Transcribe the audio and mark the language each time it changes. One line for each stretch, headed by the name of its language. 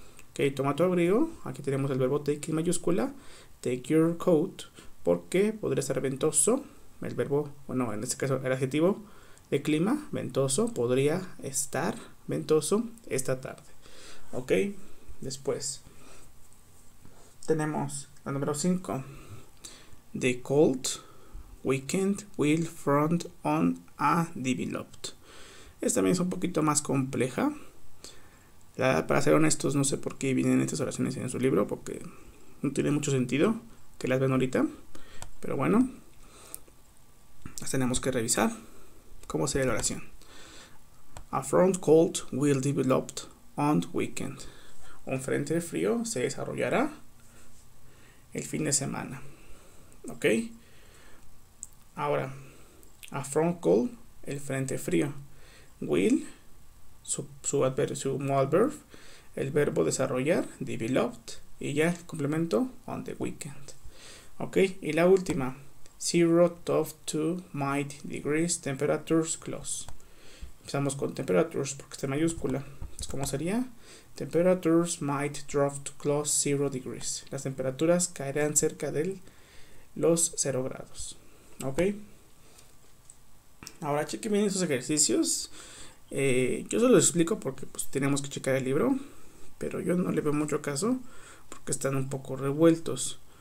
Spanish: Ok, toma tu abrigo. Aquí tenemos el verbo take en mayúscula.
English: Take your coat
Spanish: porque podría estar ventoso. El verbo, bueno, en este caso el adjetivo de clima, ventoso, podría estar ventoso esta tarde. Ok. Después tenemos la número 5.
English: The cold weekend will front on a developed.
Spanish: Esta también es un poquito más compleja. Para ser honestos, no sé por qué vienen estas oraciones en su libro, porque no tiene mucho sentido que las ven ahorita. Pero bueno, las tenemos que revisar. ¿Cómo sería la oración?
English: A front cold will develop on weekend.
Spanish: Un frente frío se desarrollará el fin de semana. ¿Ok? Ahora, a front cold, el frente frío. Will, su modal verb, el verbo desarrollar, developed, y ya el complemento,
English: on the weekend.
Spanish: ¿Ok? Y la última.
English: 0 to 2 might degrees temperatures close.
Spanish: Empezamos con temperatures porque está en mayúscula. Entonces, ¿cómo sería?
English: Temperatures might drop to close 0 degrees.
Spanish: Las temperaturas caerán cerca de los 0 grados. ¿Ok? Ahora chequen bien esos ejercicios. Yo se los explico porque pues, tenemos que checar el libro. Pero yo no le veo mucho caso porque están un poco revueltos.